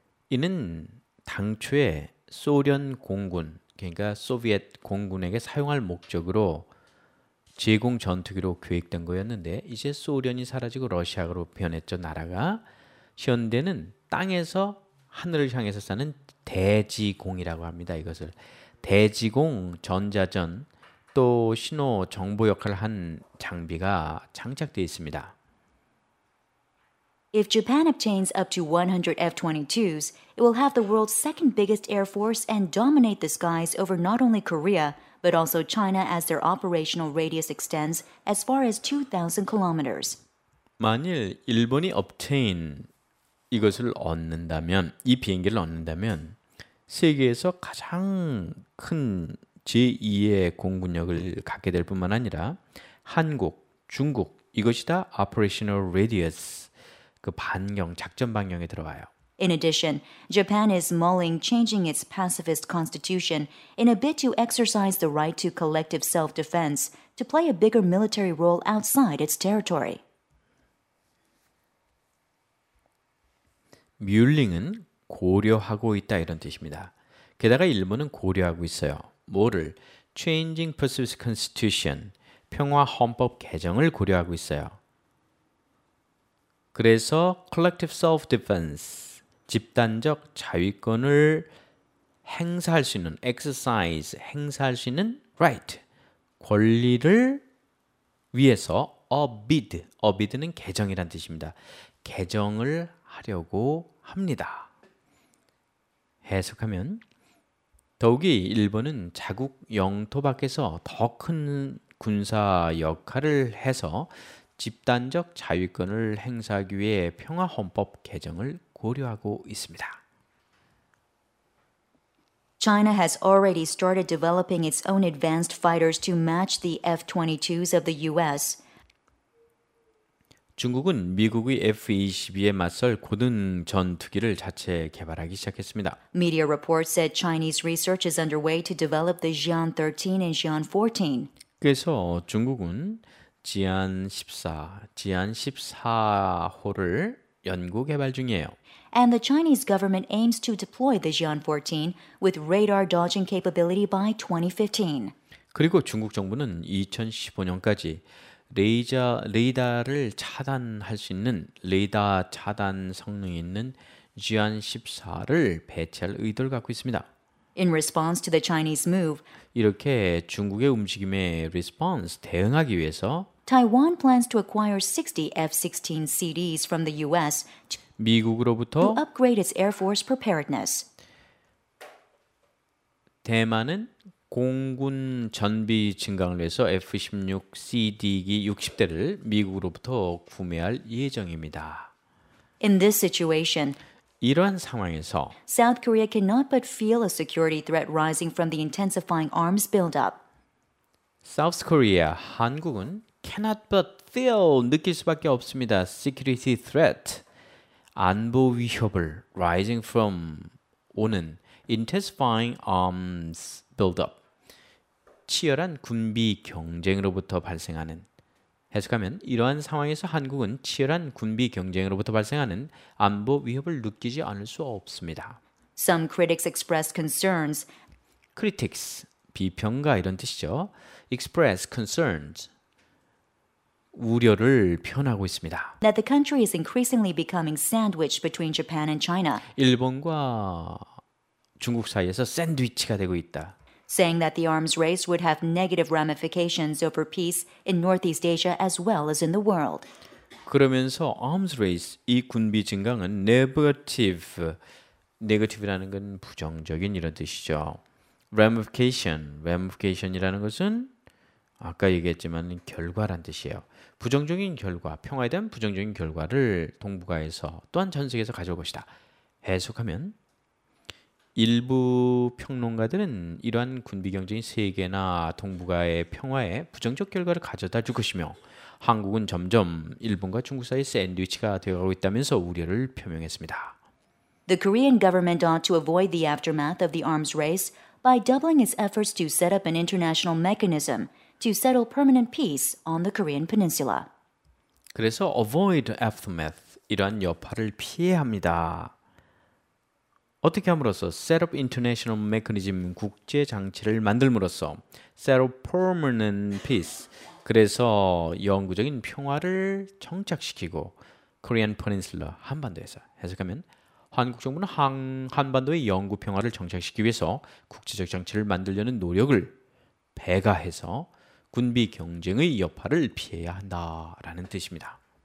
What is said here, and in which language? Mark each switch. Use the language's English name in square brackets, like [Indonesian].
[Korean] 이는 당초에 소련 공군, 그러니까 소비에트 공군에게 사용할 목적으로 제공 전투기로 기획된 거였는데, 이제 소련이 사라지고 러시아로 변했죠, 나라가. 현대는 땅에서 하늘을 향해서 쏘는 대지공이라고 합니다. 이것을 대지공 전자전 또 신호 정보 역할을 한 장비가 장착되어 있습니다. [English] If Japan obtains up to 100 F-22s, it will have the world's second biggest air force and dominate the skies over not only Korea, but also China as their operational radius extends as far as 2,000 kilometers. [Korean] 만일 일본이 [English] obtain [Korean] 이것을 얻는다면, 이 비행기를 얻는다면 세계에서 가장 큰 제2의 공군력을 갖게 될 뿐만 아니라 한국, 중국 이것이 다 [English] operational radius [Korean] 그 반경, 작전 반경에 들어와요. [English] In addition, Japan is mulling changing its pacifist constitution in a bid to exercise the right to collective self-defense to play a bigger military role outside its territory. [Korean] 뮬링은 고려하고 있다 이런 뜻입니다. 게다가 일본은 고려하고 있어요. 뭐를? [English] Changing Pacific Constitution, [Korean] 평화 헌법 개정을 고려하고 있어요. 그래서 [English] Collective Self-Defense, [Korean] 집단적 자위권을 행사할 수 있는 [English] exercise, [Korean] 행사할 수 있는 [English] right, [Korean] 권리를 위해서 [English] a bid [Korean] 는 개정이란 뜻입니다. 개정을 하려고 합니다. 해석하면 더욱이 일본은 자국 영토 밖에서 더큰 군사 역할을 해서 집단적 자위권을 행사하기 위해 평화 헌법 개정을 고려하고 있습니다. [English] China has already started developing its own advanced fighters to match the F-22s of the US. [Korean] 중국은 미국의 F-22에 맞설 고든 전투기를 자체 개발하기 시작했습니다. [English] Media reports said Chinese research is underway to develop the Xi'an 13 and Xi'an 14. [Korean] 그래서 중국은 지안 14호를 연구 개발 중이에요. [English] And the Chinese government aims to deploy the Xi'an 14 with radar dodging capability by 2015. [Korean] 그리고 중국 정부는 2015년까지 레이더를 차단할 수 있는 레이더 차단 성능이 있는 지안 14를 배치할 의도를 갖고 있습니다. [English] In response to the Chinese move, [Korean] 이렇게 중국의 움직임에 [English] response [Korean] 대응하기 위해서 [English] Taiwan plans to acquire 60 F-16 CDs from the US to [Korean] 미국으로부터 [English] upgrade its Air Force preparedness. [Korean] 대만은 공군 전비 증강을 위해서 F-16 CD기 60대를 미국으로부터 구매할 예정입니다. [English] In this situation, [Korean] 이러한 상황에서 [English] South Korea cannot but feel a security threat rising from the intensifying arms buildup. South Korea, [Korean] 한국은 [English] cannot but feel [Korean] 느낄 수밖에 없습니다. [English] Security threat, [Korean] 안보 위협을 [English] rising from [Korean] 오는 [English] intensifying arms buildup. [Korean] 치열한 군비 경쟁으로부터 발생하는, 해석하면 이러한 상황에서 한국은 치열한 군비 경쟁으로부터 발생하는 안보 위협을 느끼지 않을 수 없습니다. [English] Some critics expressed concerns. Critics, [Korean] 비평가 이런 뜻이죠. [English] Express concerns, [Korean] 우려를 표현하고 있습니다. [English] That the country is increasingly becoming sandwiched between Japan and China. [Korean] 일본과 중국 사이에서 샌드위치가 되고 있다. [English] Saying that the arms race would have negative ramifications over peace in Northeast Asia as well as in the world. [Korean] 그러면서 [English] arms race [Korean] 이 군비 증강은 [English] negative, negative [Korean] 라는 건 부정적인 이런 뜻이죠. [English] Ramification, ramification [Korean] 이라는 것은 아까 얘기했지만 결과란 뜻이에요. 부정적인 결과, 평화에 대한 부정적인 결과를 동북아에서 또한 전 세계에서 가져올 것이다. 해석하면 일부 평론가들은 이러한 군비 경쟁이 세계나 동북아의 평화에 부정적 결과를 가져다 줄 것이며 한국은 점점 일본과 중국 사이 샌드위치가 되어가고 있다면서 우려를 표명했습니다. [English] The Korean government ought to avoid the aftermath of the arms race by doubling its efforts to set up an international mechanism to settle permanent peace on the Korean Peninsula. [Korean] 그래서 [English] avoid aftermath, [Korean] 이러한 여파를 피해야 합니다. 어떻게 함으로써 [English] set up international mechanism, [Korean] 국제 장치를 만들므로써 [English] set up permanent peace, [Korean] 그래서 영구적인 평화를 정착시키고 [English] Korean Peninsula, [Korean] 한반도에서 해석하면 한국 정부는 한반도의 영구 평화를 정착시키기 위해서 국제적 장치를 만들려는 노력을 배가해서 군비 경쟁의 여파를 피해야 한다라는 뜻입니다.